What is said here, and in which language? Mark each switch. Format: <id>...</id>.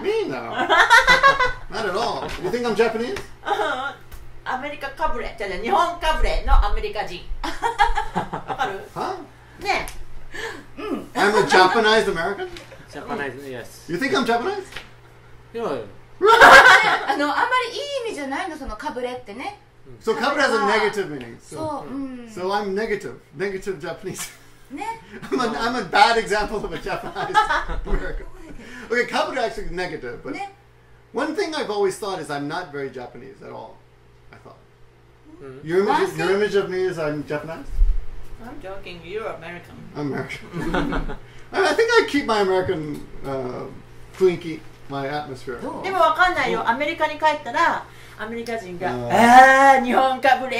<en>Me no. Not at all. You think I'm Japanese?</en> <ja>アメリカかぶれ、じゃあ日本かぶれのアメリカ人。わかる？は？ね。</ja> <en>うん。I'm a Japanese American. Japanese, yes. You think I'm Japanese? Yeah.</en> <ja>あの、あんまりいい意味じゃないの、そのかぶれってね。</ja> <en>So kabure has a negative meaning. So, so, so I'm negative. Negative Japanese.</en> <ja>ね、</ja> <en>I'm a bad example of a Japanese American. Okay, kabure actually is negative. But、ね、one thing I've always thought is I'm not very Japanese at all. I thought.、Mm-hmm. Your image of me is I'm Japanese? I'm joking. You're American. I'm American. I think I keep my American clinky, my atmosphere.</en> <ja>でも分かんないよ。アメリカに帰ったら、アメリカ人が、ああ、日本かぶれ。</ja>